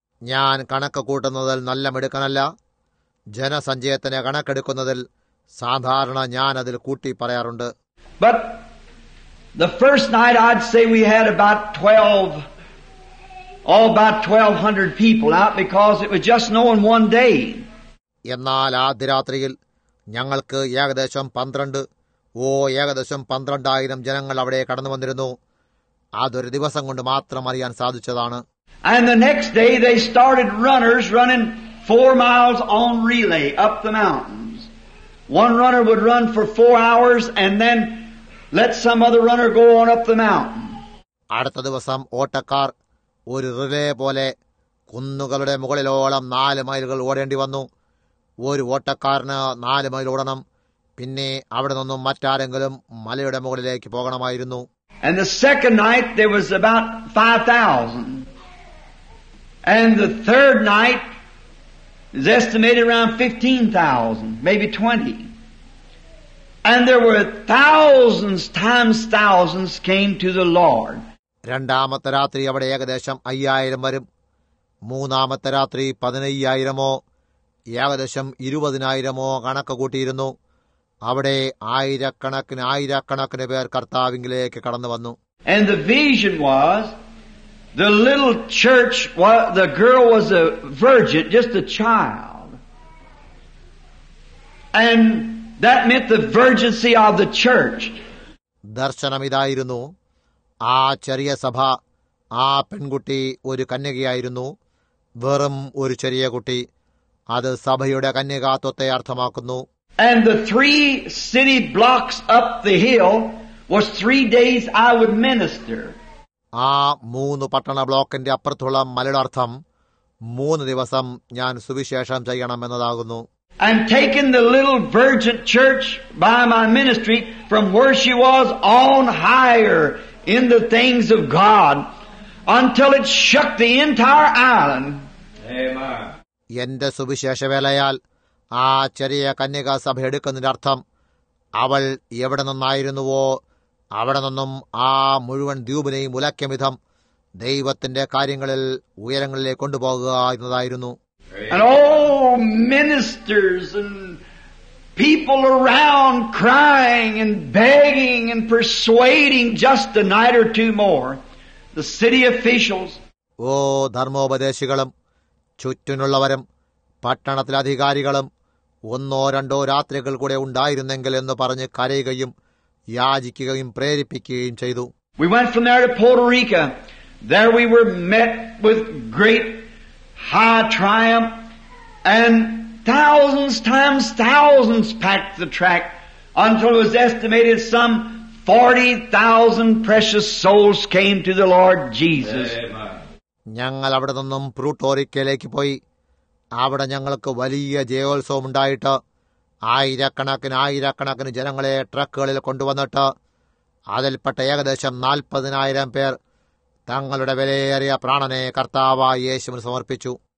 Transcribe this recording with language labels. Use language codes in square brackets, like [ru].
[ml] ഞാൻ കണക്ക് കൂട്ടുന്നതിൽ നല്ല മിടുക്കനല്ല. ജനസഞ്ചയത്തിന് കണക്കെടുക്കുന്നതിൽ സാധാരണ ഞാൻ അതിൽ കൂട്ടി പറയാറുണ്ട്. [en] But the first night I'd say we had about 1200 people out because it was just knowing one day. [ml] എന്നാൽ ആദ്യ രാത്രിയിൽ ഞങ്ങൾക്ക് ഏകദേശം 12,000 ജനങ്ങൾ അവിടെ കടന്നു വന്നിരുന്നു. അതൊരു ദിവസം കൊണ്ട് മാത്രം അറിയാൻ സാധിച്ചതാണ്. [en] And the next day they started runners running 4 miles on relay up the mountains. One runner would run for 4 hours and then let some other runner go on up the mountain. [ml] അടുത്ത ദിവസം ഓട്ടക്കാർ ഒരു relay പോലെ കുന്നുകളുടെ മുകളിലോളം 4 മൈലുകൾ ഓടേണ്ടി വന്നു. ഒരു ഓട്ടക്കാരന് 4 mile ഓടണം, പിന്നെ അവിടെ നിന്നും മറ്റാരെങ്കിലും മലയുടെ മുകളിലേക്ക് പോകണമായിരുന്നു. [en] And the second night there was about 5,000. And the third night is estimated around 15,000, maybe 20. And there were thousands times thousands came to the Lord. [ml] രണ്ടാമത്തെ രാത്രി അവിടെ ഏകദേശം 5,000 വരും. മൂന്നാമത്തെ രാത്രി 15,000 ഏകദേശം 20,000 കണക്ക് കൂട്ടിയിരുന്നു. അവിടെ ആയിരക്കണക്കിന് പേർ കർത്താവിങ്കിലേക്ക് കടന്നു വന്നു. [en] And the vision was the little church, the girl was a virgin, just a child. And that meant the virginity of the church. [ml] ദർശനം ഇതായിരുന്നു. ആ ചെറിയ സഭ, ആ പെൺകുട്ടി ഒരു കന്യകയായിരുന്നു. വെറും ഒരു ചെറിയ കുട്ടി. അത് സഭയുടെ കന്യകാത്വത്തെ അർത്ഥമാക്കുന്നു. [en] And the three city blocks up the hill was 3 days I would minister. [ml] ആ മൂന്ന് പട്ടണ ബ്ലോക്കിന്റെ അപ്പുറത്തുള്ള മലയുടെ അർത്ഥം 3 ദിവസം ഞാൻ സുവിശേഷം ചെയ്യണം എന്നതാകുന്നു. [en] And taking the little virgin church by my ministry from where she was on higher in the things of God until it shook the entire island. Amen. [ml] എന്റെ സുവിശേഷവേലയാൽ ആ ചെറിയ കന്യക സഭ എടുക്കുന്നതിന്റെ അർത്ഥം അവൾ എവിടെ നിന്നായിരുന്നുവോ അവിടെ നിന്നും ആ മുഴുവൻ ദ്വീപിനെയും ഉലക്കിയ വിധം ദൈവത്തിന്റെ കാര്യങ്ങളിൽ ഉയരങ്ങളിലേക്ക് കൊണ്ടുപോകുക എന്നതായിരുന്നു. [en] And all ministers and people around crying and begging and persuading just a night or two more. The city officials. [ml] ഓ ധർമ്മോപദേശികളും ചുറ്റിനുള്ളവരും പട്ടണത്തിലെ അധികാരികളും ഒന്നോ രണ്ടോ രാത്രികൾ കൂടെ ഉണ്ടായിരുന്നെങ്കിൽ എന്ന് പറഞ്ഞ് കരയുകയും യാചിക്കുകയും പ്രേരിപ്പിക്കുകയും ചെയ്തു. [en] We went from there to Puerto Rico. There we were met with great high triumph and thousands times thousands packed the track until it was estimated some 40,000 precious souls came to the Lord Jesus. [ml] ഞങ്ങൾ അവിടെ നിന്നും പ്രൂട്ടോറിക്കയിലേക്ക് പോയി. അവിടെ ഞങ്ങൾക്ക് വലിയ ജയോത്സവം ഉണ്ടായിട്ട് ആയിരക്കണക്കിന് ആയിരക്കണക്കിന് ജനങ്ങളെ ട്രക്കുകളിൽ കൊണ്ടുവന്നിട്ട് അതിൽപ്പെട്ട ഏകദേശം 40,000 പേർ തങ്ങളുടെ വിലയേറിയ പ്രാണനെ കർത്താവായി യേശുവിന് സമർപ്പിച്ചു.